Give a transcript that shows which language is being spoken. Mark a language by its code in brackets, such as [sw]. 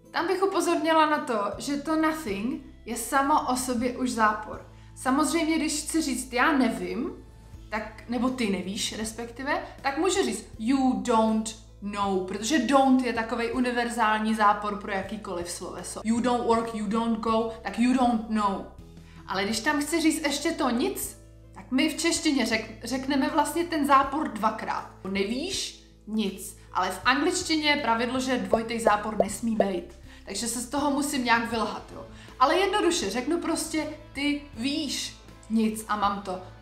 [cs] Tam bych upozornila na to, že to nothing je samo o sobě už zápor. Samozřejmě, když chci říct já nevím, tak, nebo ty nevíš respektive, tak může říct [en] you don't know, [cs] protože don't je takovej univerzální zápor pro jakýkoliv sloveso. [en] You don't work, you don't go, [cs] tak [en] you don't know. [cs] Ale když tam chci říct ještě to nic, tak my v češtině řekneme vlastně ten zápor dvakrát. Nevíš nic, ale v angličtině je pravidlo, že dvojtej zápor nesmí být. Takže se z toho musím nějak vylhat, jo. Ale jednoduše, řeknu prostě ty víš nic a mám to.